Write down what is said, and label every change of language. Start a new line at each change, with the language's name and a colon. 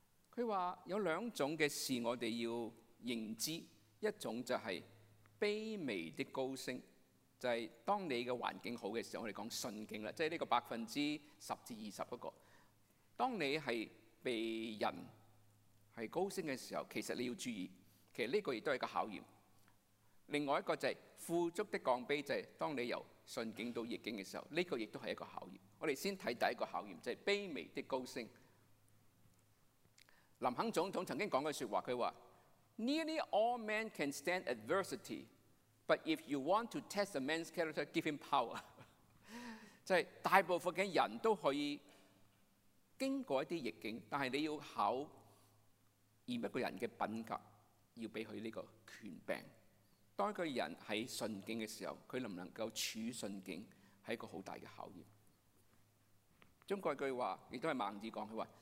Chinese: 他说有两种的事我们要认知，一种就是卑微的高升，就是当你的环境好的时候，我们讲顺境，就是这个10%至20%那个，当你是被人是高升的时候，其实你要注意，其实这个也是一个考验。另外一个就是富足的降卑，就是当你由顺境到逆境的时候，这个也是一个考验。我们先看第一个考验，就是卑微的高升。林肯总统曾经讲的说话，他说
English: Nearly all men can stand adversity, but if you want to test a man's character, give him power。
Chinese: 就是大部分的人都可以经过一些逆境，但是你要考验一个人的品格，要给他这个权柄。当一个人在顺境的时候，他能不能够处顺境，是一个很大的考验。中国一句话也是孟子讲，他说